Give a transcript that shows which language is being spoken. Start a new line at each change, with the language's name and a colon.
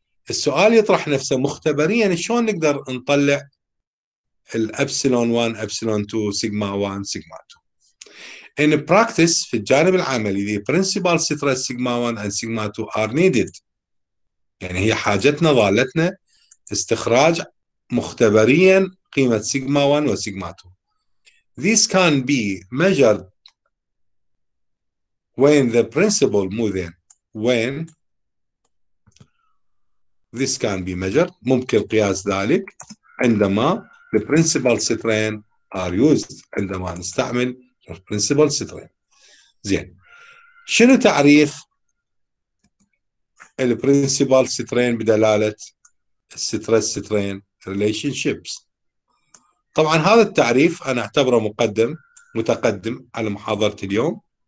Arabic: السؤال يطرح نفسه مختبريا، شلون نقدر نطلع الابسلون 1 ابسلون 2 سيجما 1 سيجما 2.
English: In practice
Arabic: في الجانب العملي
English: the principal stress sigma 1 and sigma 2 are needed،
Arabic: يعني هي حاجتنا ضالتنا استخراج مختبريا قيمة سيجما 1 وسيجما 2.
English: This can be measured when the principal moving when this can be measured،
Arabic: ممكن قياس ذلك عندما
English: the principal strain are used،
Arabic: عندما نستعمل
English: principal strain.
Arabic: زين، شنو تعريف ال principal strain بدلالة stress strain relationships؟ طبعا هذا التعريف انا اعتبره متقدم على محاضرة اليوم،